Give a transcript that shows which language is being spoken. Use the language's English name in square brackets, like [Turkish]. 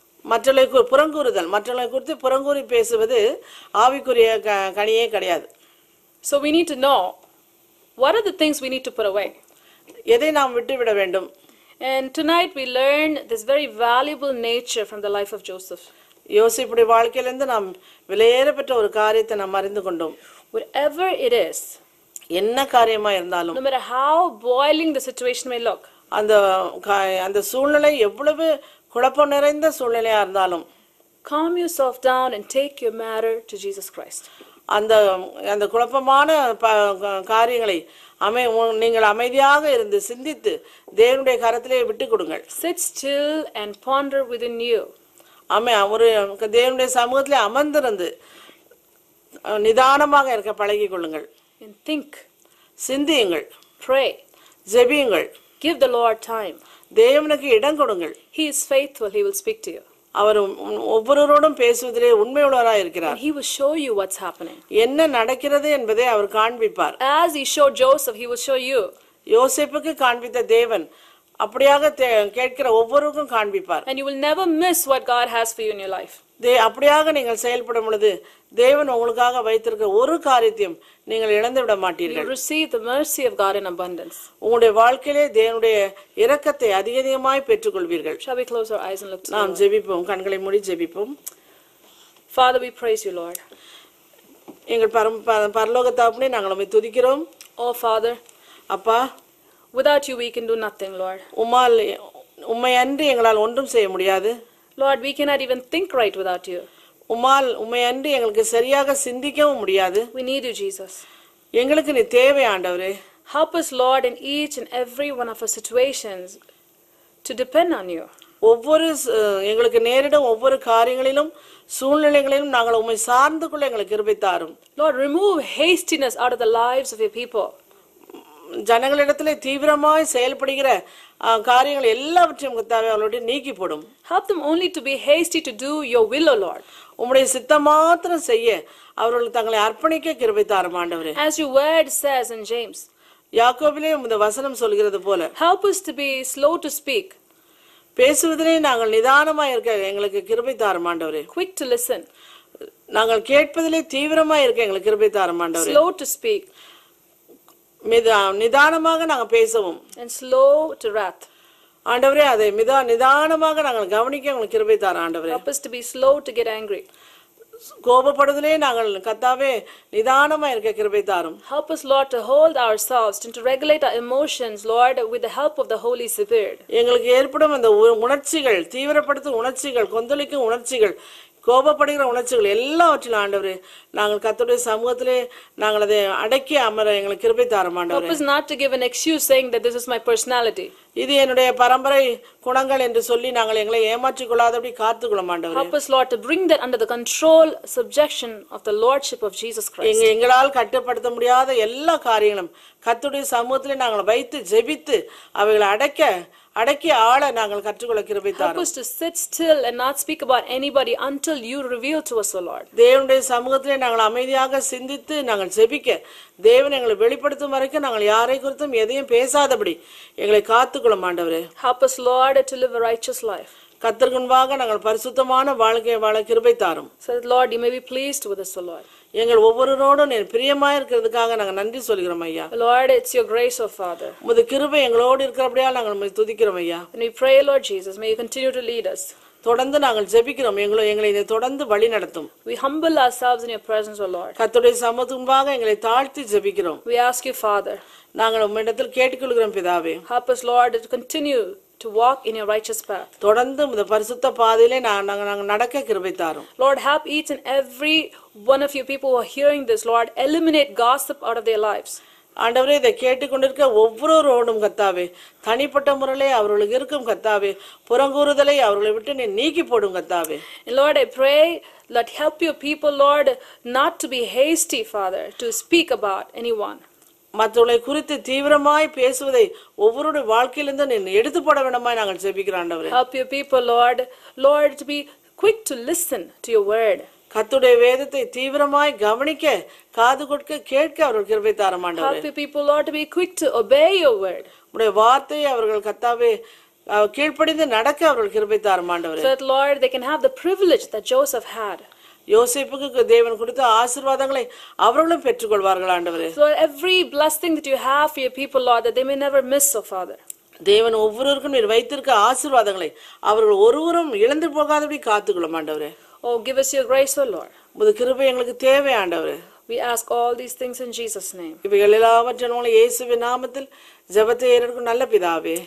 [Tamil] மற்றவர்களை புறங்கூறுதல் மற்றவர்களை குறித்து புறங்கூறி பேசுவது ஆவிக்குரிய கனியே கிடையாது. [English] So we need to know what are the things we need to put away. [Tamil] எதை நாம் விட்டுவிட வேண்டும். [English] And tonight we learn this very valuable nature from the life of Joseph. [Tamil] யோசேப்புடைய வாழ்க்கையிலிருந்து நாம் விலையேறப்பட்ட ஒரு காரியத்தை நாம் அறிந்து கொண்டோம். [English] Whatever it is. [Tamil] என்ன காரியமா இருந்தாலும். [English] No matter how boiling the situation may look. [Tamil] அந்த சூழ்நிலை எவ்வளவு குழப்பம் நிறைந்த சூழ்நிலையா இருந்தாலும் [English] calm yourself down and take your matter to Jesus Christ. [Tamil] அந்த குழப்பமான காரியங்களை நீங்கள் அமைதியாக இருந்து சிந்தித்து தேவனுடைய கரத்திலே விட்டு கொடுங்கள். [English] Sit still and ponder within you. [Tamil] ஒரு தேவனுடைய சமூகத்திலே அமர்ந்திருந்து நிதானமாக இருக்க பழகி கொள்ளுங்கள். [English] And think. [Tamil] சிந்தியுங்கள். [English] Pray. [Tamil] ஜெபியுங்கள். [English] Give the Lord time. [Tamil] தேவனுக்கு இடம் கொடுங்கள். [English] He is faithful. He will speak to you. [Tamil] அவர் ஒவ்வொருவரோடும் பேசுவதிலே உண்மையுள்ளவராய் இருக்கிறார். [English] He will show you what's happening. [Tamil] என்ன நடக்கிறது என்பதை அவர் காண்பிப்பார். [English] As he showed Joseph, he will show you. [Tamil] யோசேப்புக்கு காண்பித்த தேவன் அப்படியாக கேட்கிற ஒவ்வொருவருக்கும் காண்பிப்பார். [English] And you will never miss what God has for you in your life. [Tamil] தே அப்படியாக நீங்கள் செயல்படும் பொழுது தேவன் உங்களுக்காக வைத்திருக்க ஒரு காரியத்தையும் நீங்கள் இழந்து விட மாட்டீர்கள். [English] You receive the mercy of God in abundance. [Tamil] உங்களுடைய வாழ்க்கையிலே தேவனுடைய இரக்கத்தை அதிகமாய் பெற்றுக் கொள்வீர்கள். [English] Shall we close our eyes and look to [Tamil] நாம் ஜெபிப்போம். கண்களை மூடி ஜெபிப்போம். [English] Father, we praise you, Lord. [Tamil] எங்கள் பரலோக தகப்பனே நாங்கள் உம்மை துதிக்கிறோம். [English] Oh, Father. [Tamil] அப்பா. [English] Without you, we can do nothing, Lord. [Tamil] உம்மால் உம்மை அன்றி எங்களால் ஒன்றும் செய்ய முடியாது. [English] Lord, we cannot even think right without you. [Tamil] உம்மால் உம்மை அன்றி எங்களுக்கு சரியாக சிந்திக்கவும் முடியாது. [English] We need you, Jesus. [Tamil] எங்களுக்கு நீ தேவை ஆண்டவரே. [English] Help us, Lord, in each and every one of our situations to depend on you. [Tamil] ஒவ்வொரு எங்களுக்கு நேரிடும் ஒவ்வொரு காரியங்களிலும் சூழ்நிலைகளிலும் நாங்கள் உம்மை சார்ந்து கொள்ள எங்களுக்கு கிருபை தாரும். [English] Lord, remove hastiness out of the lives of your people. [Tamil] ஜனங்களிடத்திலே தீவிரமாய் செயல்படுகிற காரியங்கள் எல்லாவற்றையும் கர்த்தாவே அவர்களுடைய நீக்கி போடும். [English] Help them only to be hasty to do your will, O Lord. [Tamil] உம்முடைய சித்தம் மாத்திரம் செய்ய அவர்கள் தங்களை அர்ப்பணிக்க கிருபை தாரும் ஆண்டவரே. [English] As your word says in James. [Tamil] யாக்கோபிலே இந்த வசனம் சொல்கிறது போல. [English] Help us to be slow to speak. [Tamil] பேசுவதிலே நாங்கள் நிதானமாய் இருக்க எங்களுக்கு கிருபை தாரும் ஆண்டவரே. [English] Quick to listen. [Tamil] நாங்கள் கேட்பதிலே தீவிரமாய் இருக்க எங்களுக்கு கிருபை தாரும் ஆண்டவரே. [English] Slow to speak. [Tamil] நிதானமாக நாங்கள் பேசவும். [English] And slow to wrath. [Tamil] ஆண்டவரே அதை நிதானமாக நாங்கள் கவனிக்க எங்களுக்கு கிருபை தாரும் ஆண்டவரே. [English] Help us to be slow to get angry. [Tamil] கோபப்படுதலே நாங்கள் கர்த்தாவே நிதானமாய் இருக்க கிருபை தாரும். [English] Help us, Lord, to hold ourselves and to regulate our emotions, Lord, with the help of the Holy Spirit. [Tamil] எங்களுக்கு ஏற்படும் அந்த உணர்ச்சிகள், தீவிரப்படுத்தும் உணர்ச்சிகள், கொந்தளிக்கும் உணர்ச்சிகள், கோபப்படுகிற உணர்ச்சிகள் எல்லாவற்றிலும் ஆண்டவரே நாங்கள் கர்த்தருடைய சமூகத்திலே நாங்கள் அதை அடக்கி அமர எங்களுக்கு கிருபை தாரும் ஆண்டவரே. [English] Help us not to give an excuse saying that this is my personality. [Tamil] இது என்னுடைய பரம்பரை குணங்கள் என்று சொல்லி நாங்கள் எங்களை ஏமாற்றிக் கொள்ளாதபடி காத்துக்கொள்ளும் ஆண்டவரே. [English] Help us, Lord, to bring that under the control subjection of the lordship of Jesus Christ. [Tamil] எங்களால் கட்டுப்படுத்த முடியாத எல்லா காரியங்களும் கர்த்தருடைய சமூகத்திலே நாங்கள் வைத்து ஜெபித்து அவைகளை அடக்க அடக்கி ஆள நாங்கள் கற்றுக்கொள்ள கிருபை தாரும். [English] Help us to sit still and not speak about anybody until you reveal to us, O Lord. [Tamil] தேவனுடைய சமூகத்திலே நாங்கள் அமைதியாக சிந்தித்து நாங்கள் ஜெபிக்க தேவன் எங்களை வெளிப்படுத்தும் வரைக்கும் நாங்கள் யாரை குறித்தும் எதையும் பேசாதபடி எங்களை காத்துக்கொள்ள மாட்டவரே. [English] Help us, Lord, to live a righteous life. [Tamil] கர்த்தருக்குன்பாக நாங்கள் பரிசுத்தமான வாழ்க்கையை வாழ கிருபை தாரும். [English] So that, Lord, you may be pleased with us, O Lord. [Tamil] எங்கள் ஒவ்வொருவரோடும் என் பிரியமா இருக்கிறதுக்காக நாங்கள் நன்றி சொல்கிறோம் ஐயா. [English] Lord, it's your grace, O Father. [Tamil] உமது கிருபை எங்களோடு இருக்கிறபடியால் நாங்கள் உம்மை துதிக்கிறோம் ஐயா. [English] And we pray, Lord Jesus, may you continue to lead us. [Tamil] தொடர்ந்து நாங்கள் ஜெபிக்கிறோம் எங்களை இதை தொடர்ந்து வழி நடத்தும். [English] We humble ourselves in your presence, O Lord. [Tamil] கர்த்தருடைய சமூகத்துக்குன்பாக எங்களை தாழ்த்தி ஜெபிக்கிறோம். [English] We ask you, Father. [Tamil] நாங்கள் உம்மிடத்தில் கேட்டுக்கொள்கிறோம் பிதாவே. [English] Help us, Lord, to continue to walk in your righteous path. [Tamil] தொடர்ந்து இந்த பரிசுத்த பாதையிலே நாங்க நடக்க கிருபை தாரும். [English] Lord, help each and every one of you people who are hearing this, Lord, eliminate gossip out of their lives. [Tamil] ஆண்டவரே இதை கேட்டுக்கொண்டிருக்க ஒவ்வொருவரோடும் கர்த்தாவே தனிப்பட்ட முறையிலே அவர்களுக்கு இருக்கும் கர்த்தாவே புறங்கூறுதலை அவர்களை விட்டு நீ நீக்கி போடும் கர்த்தாவே. [English] Lord, I pray that help your people, Lord, not to be hasty, Father, to speak about anyone. [Tamil] மற்றவர்களை குறித்து தீவிரமாய் பேசுவதை ஒவ்வொருடைய வாழ்க்கையிலிருந்து எடுத்து போட வேண்டுமாய் நாங்கள் ஜெபிக்கிறோம். [English] Help your people, Lord. Lord, to be quick to listen to your word. [Tamil] கர்த்தருடைய வேதத்தை தீவிரமாய் கவனிக்க காது கொடுக்க கேட்க அவர்கள் கிருபை தாரும் ஆண்டவரே. [English] Help your people, Lord, to be quick to obey your word. [Tamil] உம்முடைய வார்த்தையை அவர்கள் கர்த்தாவே கீழ்ப்படிந்து நடக்க அவர்கள் கிருபை தாரும் ஆண்டவரே. [English] So that, Lord, they can have the privilege that Joseph had. [Tamil] யோசேப்புக்கு தேவன் கொடுத்த ஆசீர்வாதங்களை அவர்களும் பெற்றுக்கொள்வார்கள் ஆண்டவரே. [English] So every blessing that you have for your people, Lord, that they may never miss, O Father. [Tamil] தேவன் ஒவ்வொருவருக்கும் நீர் வைத்திருக்க ஆசீர்வாதங்களை அவர்கள் ஒருவரும் இழந்து போகாதபடி காத்துக்கொள்ள ஆண்டவரே. [English] Oh, give us your grace, O Lord. [Tamil] உமது கிருபை எங்களுக்கு தேவை ஆண்டவரே. [English] We ask all these things in Jesus' name. [Tamil] இவைகள் எல்லாவற்றினாலும் இயேசுவின் நாமத்தில் ஜெபத்தை ஏறெடுக்கும் நல்ல பிதாவே.